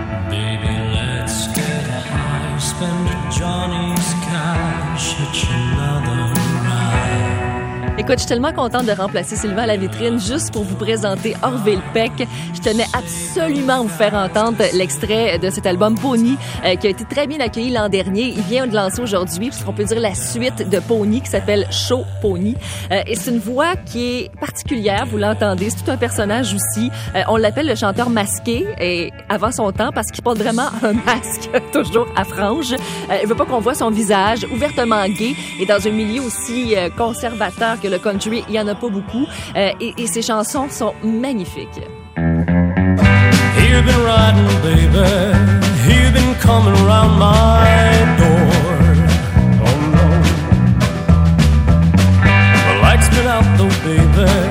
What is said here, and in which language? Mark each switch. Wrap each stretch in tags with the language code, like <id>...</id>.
<en>Baby, let's get high, spend Johnny's cash at another ride.</en> <fr>Écoute, je suis tellement contente de remplacer Sylvain à la vitrine juste pour vous présenter Orville Peck. Je tenais absolument à vous faire entendre l'extrait de cet album Pony qui a été très bien accueilli l'an dernier. Il vient de lancer aujourd'hui, puisqu'on peut dire la suite de Pony, qui s'appelle Show Pony. Et c'est une voix qui est particulière, vous l'entendez, c'est tout un personnage aussi. On l'appelle le chanteur masqué, et avant son temps, parce qu'il porte vraiment un masque, toujours à franges. Il veut pas qu'on voit son visage, ouvertement gay, et dans un milieu aussi conservateur que le country, il y en a pas beaucoup. Et ses chansons sont magnifiques.</fr> <en>You've been riding, baby. You've been coming around my door. Oh no. The light's been out though, baby.</en>